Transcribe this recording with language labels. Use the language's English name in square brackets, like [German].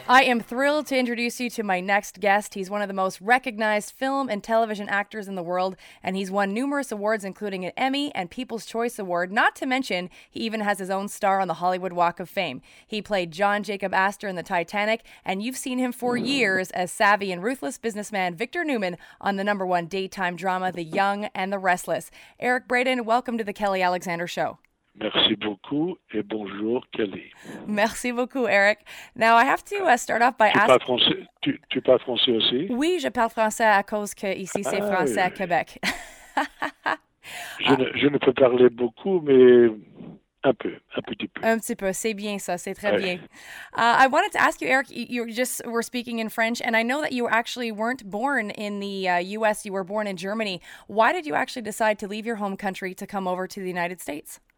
[English] I am thrilled to introduce you to my next guest. He's one of the most recognized film and television actors in the world, and he's won numerous awards, including an Emmy and People's Choice Award, not to mention he even has his own star on the Hollywood Walk of Fame. He played John Jacob Astor in the Titanic, and you've seen him for years as savvy and ruthless businessman Victor Newman on the number one daytime drama, The Young and the Restless. Eric Braden, welcome to The Kelly Alexander Show. [French] Merci beaucoup et bonjour, Kelly. Merci beaucoup, Eric. [English] Now, I have to start off by asking... [French] Tu parles français aussi? Oui, je parle français à cause que ici, c'est français à Québec. Je ne peux parler beaucoup, mais un peu, un petit peu. Un petit peu, c'est bien ça, c'est très bien. [English] I wanted to ask you, Eric, you just were speaking in French, and I know that you actually weren't born in the U.S., you were born in Germany. Why did you actually decide to leave your home country to come over to the United States?